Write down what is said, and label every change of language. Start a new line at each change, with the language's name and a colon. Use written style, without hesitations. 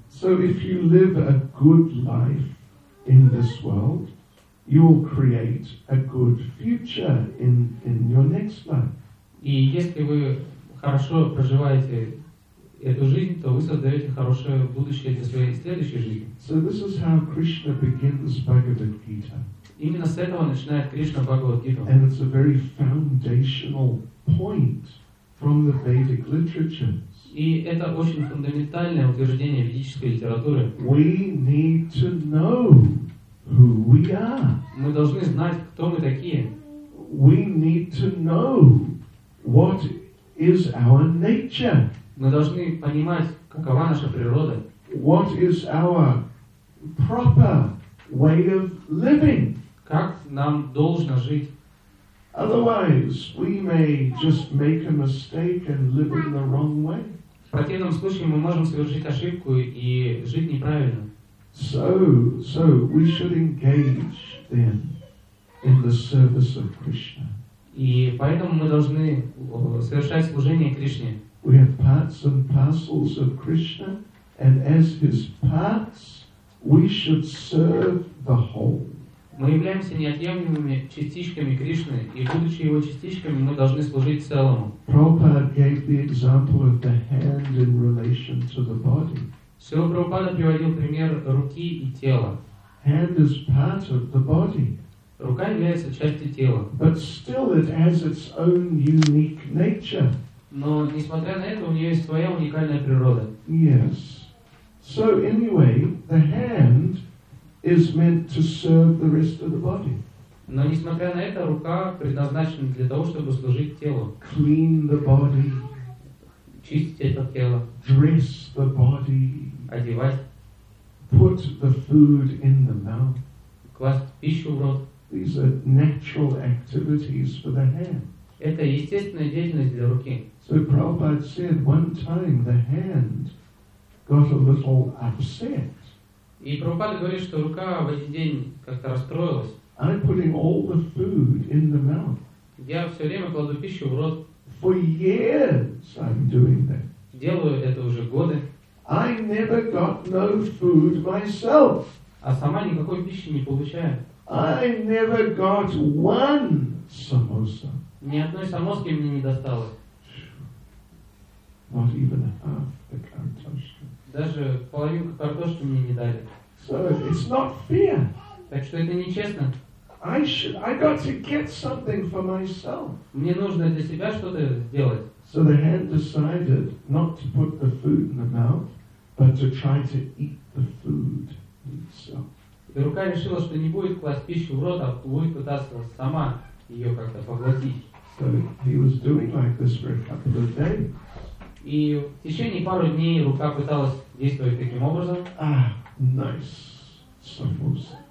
English: So if you live a good life in this world, you will create a good future in your next life.
Russian: И если вы хорошо проживаете эту жизнь, то вы создаете хорошее будущее для своей следующей жизни.
English: So this is how Krishna begins Bhagavad Gita.
Russian: Именно с этого начинает Кришна Бхагавад-гита.
English: And it's a very foundational point from the Vedic literature.
Russian: И это очень фундаментальное утверждение ведической литературы.
English: We need to know who we are.
Russian: Мы должны знать, кто мы такие.
English: We need to know what is our nature.
Russian: Мы должны понимать, какова наша природа.
English: What is our proper way of living?
Russian: Как нам должно жить?
English: Otherwise, we may just make a mistake and live in the wrong way.
Russian: В противном случае мы можем совершить ошибку и жить неправильно.
English: So we should engage then in the service of Krishna.
Russian: И поэтому мы должны совершать служение Кришне.
English: We have parts and parcels of Krishna, and as his parts, we should serve the whole.
Russian: Мы являемся неотъемлемыми частичками Кришны, и будучи его частичками, мы должны служить целому.
English: Prabhupada gave the example of the hand in relation to the body.
Russian: Шрила Прабхупада приводил пример руки и тела.
English: Hand is part of the body.
Russian: Рука является частью тела.
English: But still it has its own unique nature.
Russian: Но несмотря на это, у нее есть своя уникальная природа.
English: Yes. So anyway, the hand is meant to serve the rest of the body.
Russian: Но несмотря на это, рука предназначена для того, чтобы служить телу.
English: Clean the body.
Russian: Чистить это тело.
English: Dress the body.
Russian: Одевать.
English: Put the food in the mouth.
Russian: Класть пищу в рот.
English: These are natural activities for the hand.
Russian: Это естественная деятельность для руки.
English: So Prabhupada said one time the hand got a little upset.
Russian: И Прабхупада говорит, что рука в один день как-то расстроилась.
English: I'm putting all the food in the mouth.
Russian: Я все время кладу пищу в рот.
English: For years I'm doing that.
Russian: Делаю это уже годы.
English: I never got no food myself.
Russian: А сама никакой пищи не получаю.
English: I never got one samosa.
Russian: Ни одной самоски мне не досталось.
English: Not even half the kartoshka.
Russian: Даже половинку картошки мне не дали.
English: So it's not fair.
Russian: Так что это нечестно.
English: I got to get something for myself.
Russian: Мне нужно для себя что-то сделать.
English: So the hand decided not to put the food in the mouth, but to try to eat the food itself.
Russian: И рука решила, что не будет класть пищу в рот, а будет пытаться сама ее как-то поглотить.
English: So he was doing like this for a couple of days.
Russian: И в течение пару дней рука пыталась действовать таким образом.
English: Nice samosa.